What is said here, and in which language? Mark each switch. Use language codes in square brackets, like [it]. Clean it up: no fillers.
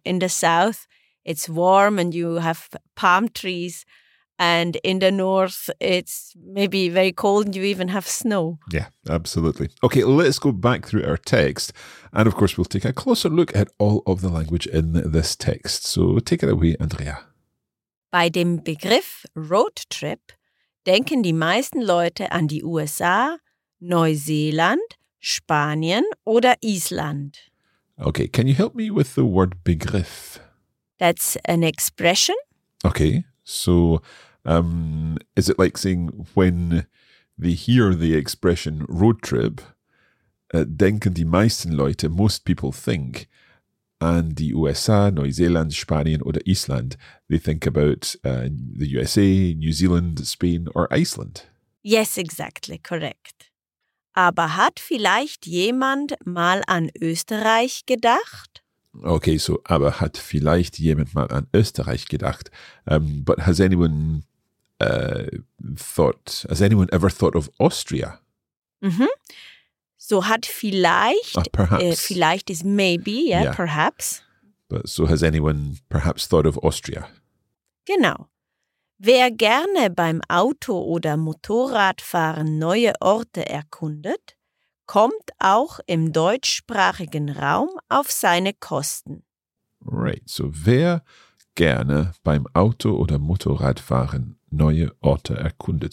[en] In the south, it's warm and you have palm trees. And in the north, it's maybe very cold and you even have snow. Yeah, absolutely. Okay, let's go back through our text. And of course, we'll take a closer look at all of the language in this text. So take it away, Andrea. [de] Bei dem Begriff Road Trip denken die meisten Leute an die USA, Neuseeland, Spanien oder Island. [en] Okay, can you help me with the word Begriff? That's an expression. Okay. So, is it like saying when they hear the expression road trip, [de] denken die meisten Leute, [en] most people think, [de] an die USA, Neuseeland, Spanien oder Island, [en] they think about the USA, New Zealand, Spain or Iceland? Yes, exactly, correct. [de] Aber hat vielleicht jemand mal an Österreich gedacht? [en] Okay, so, [de] aber hat vielleicht jemand mal an Österreich gedacht? [en] But has anyone ever thought of Austria? [de] Mm-hmm. So hat vielleicht, [en] perhaps. Vielleicht is maybe, yeah, perhaps. But so has anyone perhaps thought of Austria? [de] Genau. Wer gerne beim Auto- oder Motorradfahren neue Orte erkundet, kommt auch im deutschsprachigen Raum auf seine Kosten. [en] Right, so [de] wer gerne beim Auto- oder Motorradfahren neue Orte erkundet.